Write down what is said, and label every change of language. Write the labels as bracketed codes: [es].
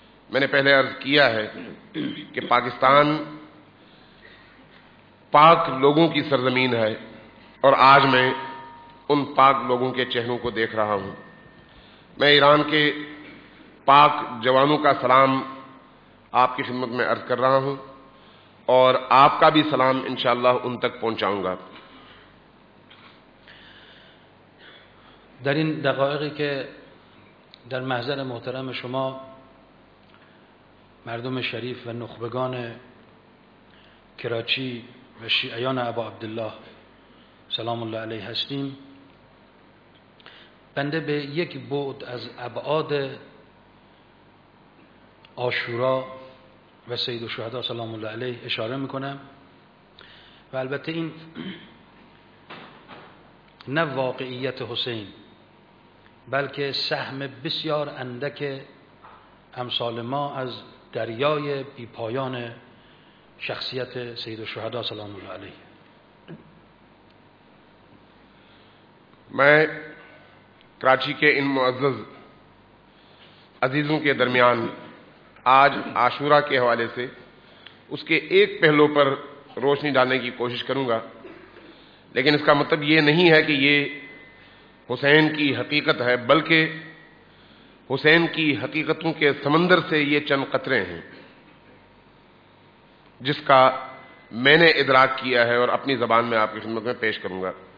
[ur] میں نے پہلے عرض کیا ہے کہ پاکستان پاک لوگوں کی سرزمین ہے اور آج میں ان پاک لوگوں کے چہروں کو دیکھ رہا ہوں. میں ایران کے پاک جوانوں کا سلام آپ کی خدمت میں عرض کر رہا ہوں اور آپ کا بھی سلام انشاءاللہ ان تک پہنچاؤں گا. [fa] در ان دقائقی کے در محضر محترم شما مردم شریف و نخبگان کراچی و شیعان ابا عبدالله سلام الله علیه هستیم، بنده به یک بعد از ابعاد عاشورا و سید الشهدا سلام الله علیه اشاره میکنم و البته این نه واقعیت حسین بلکه سهم بسیار اندک امثال ما از دریای بی پایان شخصیت سید الشهدا سلام الله علیه. [ur] میں کراچی کے ان معزز عزیزوں کے درمیان آج عاشورہ کے حوالے سے اس کے ایک پہلو پر روشنی ڈالنے کی کوشش کروں گا، لیکن اس کا مطلب یہ نہیں ہے کہ یہ حسین کی حقیقت ہے، بلکہ حسین کی حقیقتوں کے سمندر سے یہ چند قطرے ہیں جس کا میں نے ادراک کیا ہے اور اپنی زبان میں آپ کی خدمت میں پیش کروں گا.